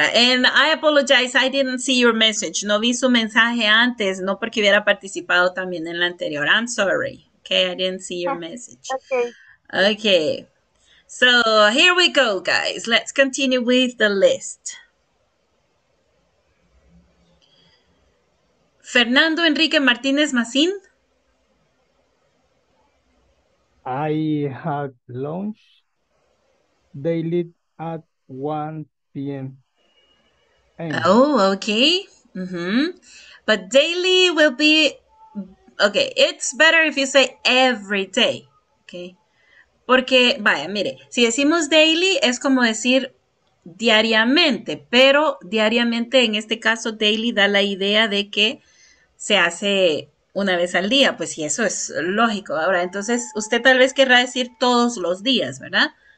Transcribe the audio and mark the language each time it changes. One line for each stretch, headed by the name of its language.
English: And I apologize, I didn't see your message.
Spanish: No vi su mensaje antes, no porque hubiera participado también en la anterior.
English: I'm sorry. Okay, I didn't see your message. Okay. So here we go, guys. Let's continue with the list. Fernando Enrique Martinez Macin. I have lunch daily at 1 p.m. Oh, okay. Mm-hmm. But daily will be, okay, it's better if you say every day, okay?
Spanish: Porque, vaya, mire, si decimos daily, es como decir diariamente, pero diariamente, en este caso, daily da la idea de que se hace una vez al día, pues sí, eso es lógico. Ahora, entonces, usted tal vez querrá decir todos los días, ¿verdad?